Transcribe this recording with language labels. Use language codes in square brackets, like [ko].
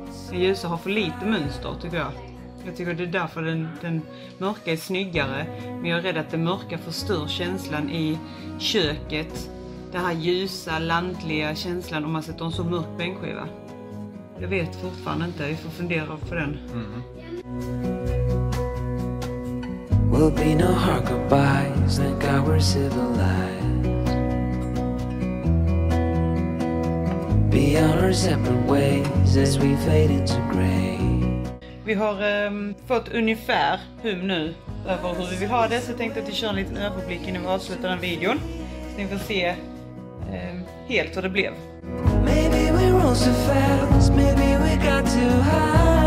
[sv] Den ljusa har för lite mönster, tycker jag. Jag tycker det är därför den mörka är snyggare. Men jag är rädd att det mörka förstör känslan i köket. Den här ljusa, lantliga känslan om man sätter en så mörk bänkskiva. Jag vet fortfarande inte, vi får fundera på den. Mm. [en] We'll be no hard goodbyes, thank God we're civilized. Be on our separate ways as we fade into gray. [sv] Vi har fått ungefär hum nu över hur vi vill ha det, så jag tänkte att vi kör en liten överblick innan vi avslutar den videon. Så ni får se helt vad det blev. [en] Maybe we roll so fast, maybe we got too high.